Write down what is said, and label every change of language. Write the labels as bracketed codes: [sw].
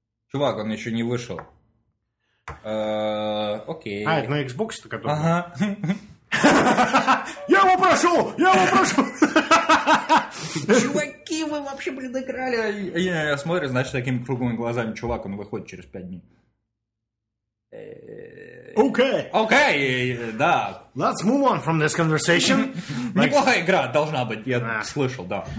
[ru] Чувак, он еще не вышел. Окей. А, это на Xbox-то который? Ага. Я его прошел! Я его прошел! Чуваки, вы вообще, блин, играли? Я смотрю, значит, такими круглыми глазами чувак, он выходит через 5 дней. Окей, да. [en] Let's move on from this conversation. [ru] Неплохая игра должна быть, я слышал, да.